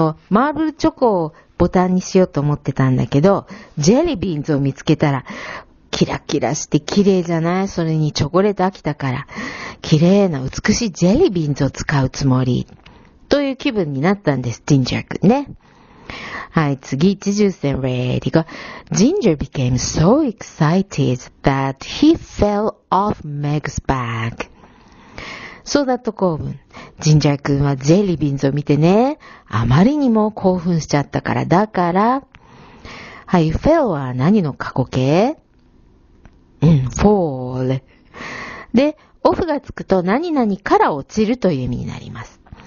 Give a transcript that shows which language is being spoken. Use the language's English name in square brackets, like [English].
[Japanese] マーブルチョコをボタンにしようと思ってたんだけど、ジェリービーンズを見つけたら、キラキラして綺麗じゃない? それにチョコレート飽きたから。綺麗な美しいジェリービーンズを使うつもり。という気分になったんです、ジンジャー君ね。はい、次、チジュセン、レディゴ。 [English] Ginger became so excited that he fell off Meg's back. [Japanese] そうだと興奮。ジンジャー君はジェリービーンズを見てね、あまりにも興奮しちゃったから。だから、はい、fell は何の過去形？うん、fall。で、off がつくと何々から落ちるという意味になります。